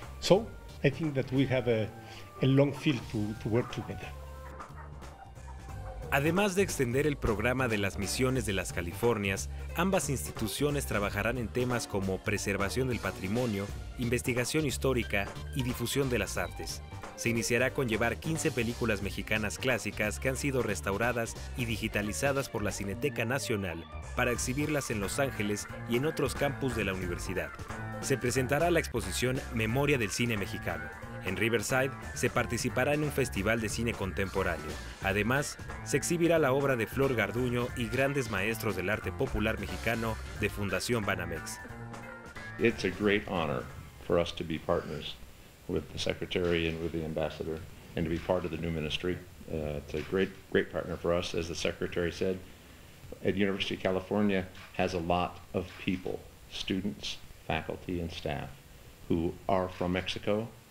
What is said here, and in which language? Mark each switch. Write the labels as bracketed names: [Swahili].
[English] So I think that we have a long field to work together. [Spanish] Además de extender el programa de las misiones de las Californias, ambas instituciones trabajarán en temas como preservación del patrimonio, investigación histórica y difusión de las artes. Se iniciará con llevar 15 películas mexicanas clásicas que han sido restauradas y digitalizadas por la Cineteca Nacional para exhibirlas en Los Ángeles y en otros campus de la universidad. Se presentará la exposición Memoria del Cine Mexicano. En Riverside se participará en un festival de cine contemporáneo. Además, se exhibirá la obra de Flor Garduño y grandes maestros del arte popular mexicano de Fundación Banamex. [English] It's a great honor for us to be partners with the secretary and with the ambassador and to be part of the new ministry. It's a great, great partner for us. As the secretary said, at the University of California has a lot of people, students, faculty and staff who are from Mexico.